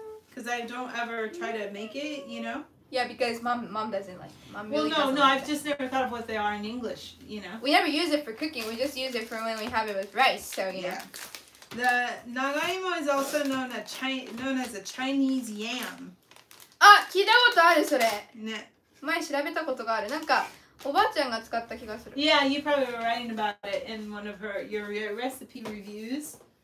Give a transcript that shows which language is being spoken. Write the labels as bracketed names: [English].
[English] Because I don't ever try to make it, you know? Yeah, because mom doesn't like mom really doesn't like it. Well, no, I've just never thought of what they are in English, you know. We never use it for cooking. We just use it for when we have it with rice, so, you know. The nagaimo is also known as a Chinese yam. [Japanese] あ、聞いたことある、それ。ね。前調べたことがある。なんか、おばあちゃんが使った気がする。 [English] Yeah, you probably were writing about it in one of your recipe reviews.